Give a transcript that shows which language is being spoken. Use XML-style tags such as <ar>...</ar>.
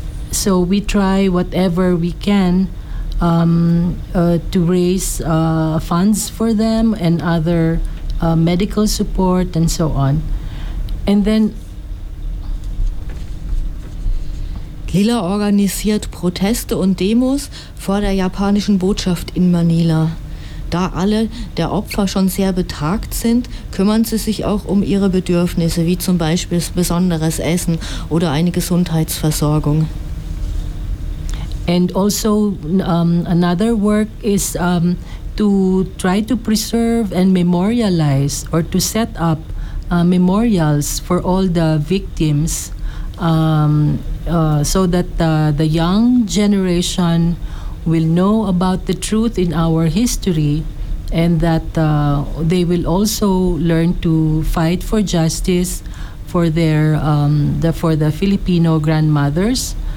<en>So we try whatever we can to raise funds for them and other medical support and so on. And then</en> <de>Lila organisiert Proteste und Demos vor der japanischen Botschaft in Manila. Da alle der Opfer schon sehr betagt sind, kümmern sie sich auch um ihre Bedürfnisse, wie zum Beispiel besonderes Essen oder eine Gesundheitsversorgung.</de> <en>And also another work is to try to preserve and memorialize or to set up memorials for all the victims. So that the young generation will know about the truth in our history and that they will also learn to fight for justice for their for the Filipino grandmothers.</en>